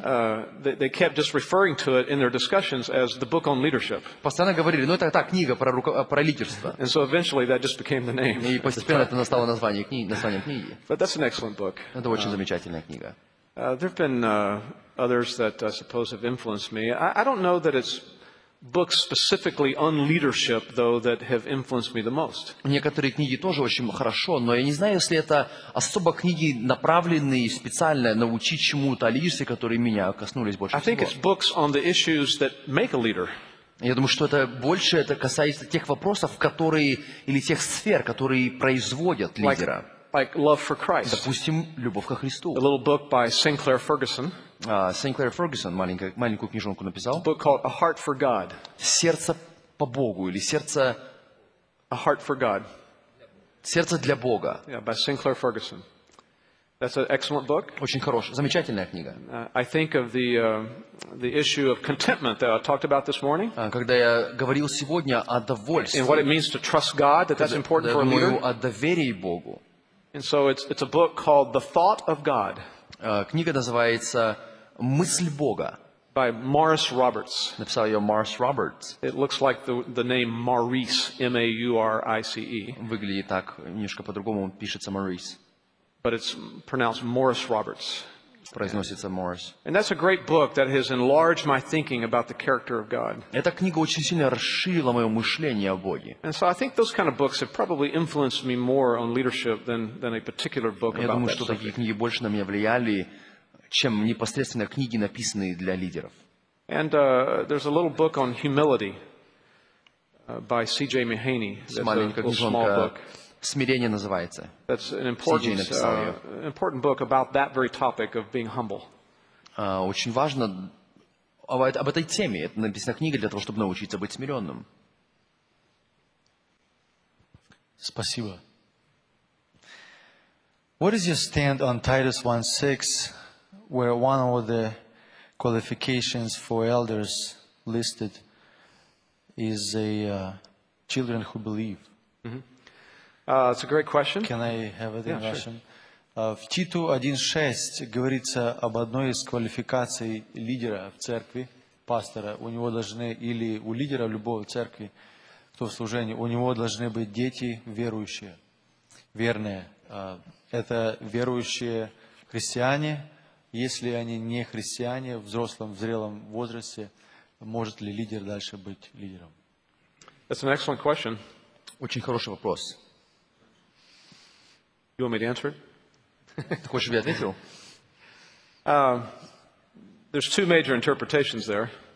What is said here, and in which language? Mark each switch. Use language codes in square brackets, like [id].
[en] they kept just referring to it in their discussions as the book on leadership. [ru] Постоянно говорили, ну это та книга про лидерство. [en] And so eventually that just became the name. [ru] И постепенно это стало названием книги. [en] But that's an excellent book. [ru] Это очень замечательная книга. [en] There have been others that I suppose have influenced me. I don't know that it's books specifically on leadership, though, that have influenced me the most. [ru] Некоторые книги тоже очень хорошо, но я не знаю, если это особо книги, направленные специально научить чему-то о лидерстве, которые меня коснулись больше всего. [en] I think it's books on the issues that make a leader. [ru] Я думаю, что это больше это касается тех вопросов, которые или тех сфер, которые производят лидера. [en] Like love for Christ. [ru] Допустим, любовь ко Христу. [en] A little book by Sinclair Ferguson. [ru] Sinclair Ferguson маленькую книжонку написал. [en] A book called A Heart for God. [ru] Сердце по Богу или сердце [en] A heart for God. [ru] Сердце для Бога. [en] Yeah, by Sinclair Ferguson. That's an excellent book. [ru] Очень хорошая, замечательная книга. [en] I think of the issue of contentment that I talked about this morning. [ru] Когда я говорил сегодня о довольстве. [en] And what it means to trust God, that's important for a leader. [ru] О доверии Богу. [en] And so it's a book called The Thought of God. [ru] Книга называется «Мысль Бога». [en] By Morris Roberts. [ru] Написал ее Morris Roberts. [en] It looks like the name Maurice, M-A-U-R-I-C-E. [ru] Выглядит так, немножко по-другому пишется Maurice. [en] But it's pronounced Morris Roberts. [ru] Произносится Morris. [en] And that's a great book that has enlarged my thinking about the character of God. [ru] Эта книга очень сильно расширила мое мышление о Боге. [en] And so I think those kind of books have probably influenced me more on leadership than a particular book about leadership. [ru] Я думаю, что такие книги больше на меня влияли, чем непосредственно книги, написанные для лидеров. [en] And there's a little book on humility by C.J. Mahaney. It's a small book. [ru] Смирение называется. [en] That's an important book about that very topic of being humble. [ru] Очень важно об этой теме. Это написана книга для того, чтобы научиться быть смиренным. Спасибо. [en] What is your stand on Titus 1:6? Where one of the qualifications for elders listed is children who believe. Mm-hmm. That's a great question. Can I have it in Russian? Sure. [ru] В Титу 1:6 говорится об одной из квалификаций лидера в церкви, пастора. У него должны, или у лидера любого церкви, кто в служении, у него должны быть дети верующие, верные. Это верующие христиане. Если они не христиане в взрослом, в зрелом возрасте, может ли лидер дальше быть лидером? [en] That's an excellent question. [ru] Очень хороший вопрос. [en] You want me to answer? [ru] Хочешь, чтобы я ответил? [en] There's two major interpretations there.